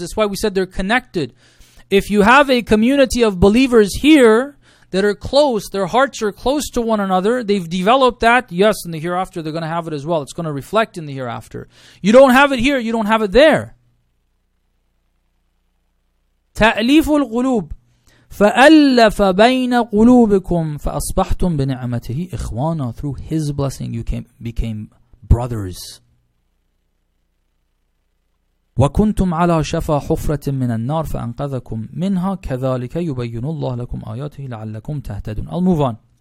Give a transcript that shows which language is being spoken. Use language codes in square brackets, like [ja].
[en] That's why we said they're connected. If you have a community of believers here that are close, their hearts are close to one another, they've developed that, yes, in the hereafter, they're going to have it as well. It's going to reflect in the hereafter. You don't have it here, you don't have it there. [ar] تأليف القلوب فألف بين قلوبكم فأصبحتم بنعمته إخوانا. [en] Through His blessing, you became brothers. [ar] وَكُنْتُمْ عَلَى شَفَى حُفْرَةٍ مِّنَ النَّارِ فَأَنْقَذَكُمْ مِنْهَا كَذَلِكَ يُبَيِّنُ اللَّهُ لَكُمْ آيَاتِهِ لَعَلَّكُمْ تَهْتَدُونَ. [en] I'll move on.